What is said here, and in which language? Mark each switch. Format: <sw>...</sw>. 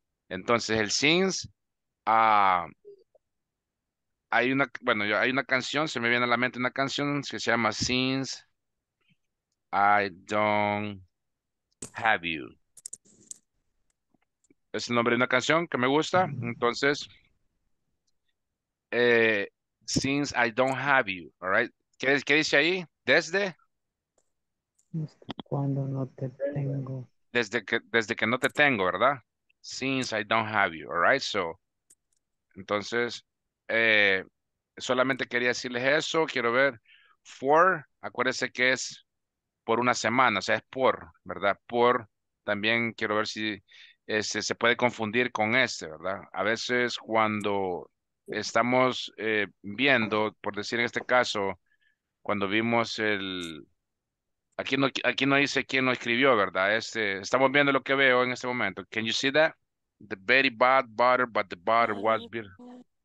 <es>Entonces, el since, hay una canción, se me viene a la mente una canción que se llama Since I Don't Have You. Es el nombre de una canción que me gusta. Entonces,</es> <en>since I don't have you, all right?</en> <es>¿Qué dice ahí? ¿Desde? Cuando no te tengo. Desde que no te tengo, ¿verdad?</es> <en>Since I don't have you, all right?</en> <es>So, entonces, solamente quería decirles eso. Quiero ver, for, acuérdense que es por una semana, o sea, es por, ¿verdad? Por, también quiero ver si se puede confundir con este, ¿verdad? A veces cuando... estamos viendo, por decir en este caso, cuando vimos el... Aquí no dice quién lo escribió, ¿verdad? Estamos viendo lo que veo en este momento.</es> <en>Can you see that? The very bad butter, but the butter was beautiful.</en>